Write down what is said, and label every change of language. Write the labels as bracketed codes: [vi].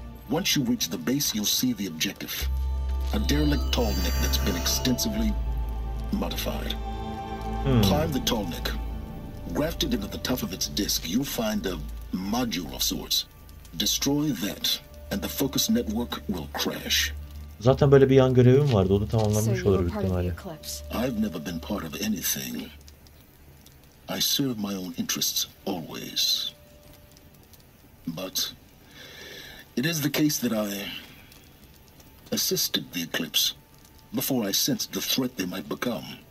[en] Once you reach the base, you'll see the objective. A derelict tall neck that's been extensively modified. Hmm. Climb the tall neck. Grafted into the top of its disc, you'll find a module of sorts. Destroy that, and the Focus Network will crash. [tr] Zaten böyle bir yan görevim vardı, onu tamamlamış so olur ihtimalle. [en] I've never been part of anything. I serve my own interests always. But... It is the case that I assisted the Eclipse before I sensed the threat they might become.